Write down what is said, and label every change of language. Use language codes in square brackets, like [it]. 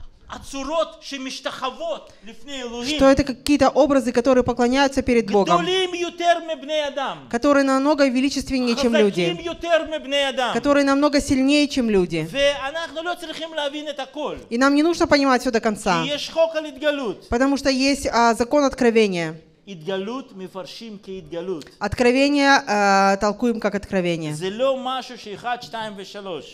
[he] הצורות שמשתחוות לפני אלוהים. [ru] Что это какие-то образы, которые поклоняются перед Богом. [he] Гдолим ютер мебней адам. [ru] Которые намного величественнее, чем люди. [he] Хазаким ютер мебней адам. [ru] Которые намного сильнее, чем люди. [he] ואנחנו לא צריכים להבין את הכל. [ru] И нам не нужно понимать все до конца. [he] כי יש חוק על התגלות. [ru] Потому что есть закон откровения. [he] התגלות מפרשים כהתגלות. [ru] Откровение толкуем как откровение. [he] זה לא משהו שאחד, שתיים ושלוש.